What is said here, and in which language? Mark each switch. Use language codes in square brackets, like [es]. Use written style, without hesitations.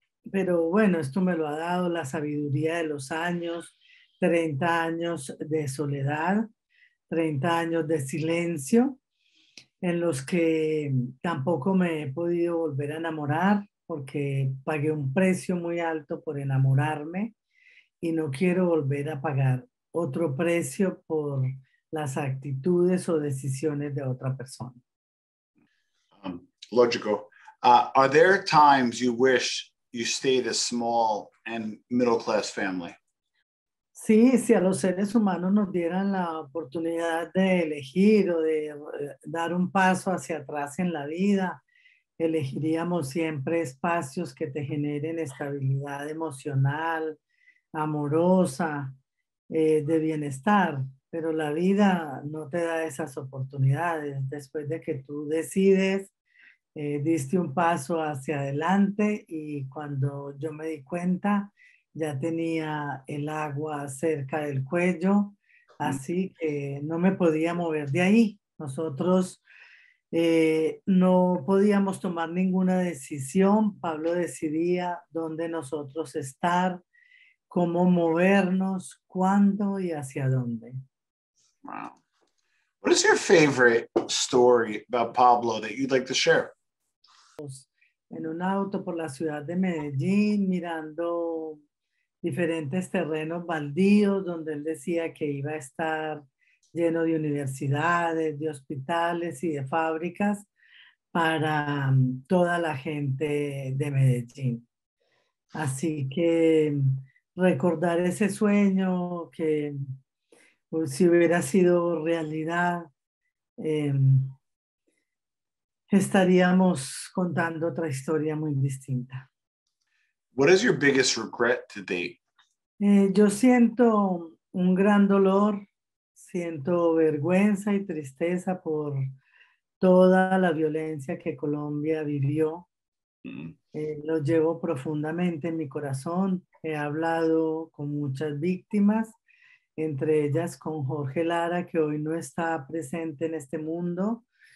[es] Pero bueno, esto me lo ha dado la sabiduría de los años, 30 años de soledad, 30 años de silencio, en los que tampoco me he podido volver a enamorar porque pagué un precio muy alto por enamorarme y no quiero volver a pagar otro precio por las actitudes o decisiones de otra persona. Lógico. [en] Are there times you wish you stayed a small and middle class family? [es] Sí, si a los seres humanos nos dieran la oportunidad de elegir o de dar un paso hacia atrás en la vida, elegiríamos siempre espacios que te generen estabilidad emocional, amorosa, de bienestar. Pero la vida no te da esas oportunidades. Después de que tú decides, diste un paso hacia adelante y cuando yo me di cuenta, ya tenía el agua cerca del cuello, así que no me podía mover de ahí. Nosotros no podíamos tomar ninguna decisión. Pablo decidía dónde nosotros estar, cómo movernos, cuándo y hacia dónde. [en] Wow. What is your favorite story about Pablo that you'd like to share? [es] En un auto por la ciudad de Medellín mirando diferentes terrenos baldíos donde él decía que iba a estar lleno de universidades, de hospitales y de fábricas para toda la gente de Medellín. Así que recordar ese sueño que pues, si hubiera sido realidad, estaríamos contando otra historia muy distinta. [en] What is your biggest regret to date? [es] Yo siento un gran dolor, siento vergüenza y tristeza por toda la violencia que Colombia vivió. Lo llevo profundamente en mi corazón. He hablado con muchas víctimas, entre ellas con Jorge Lara, que hoy no está presente en este mundo.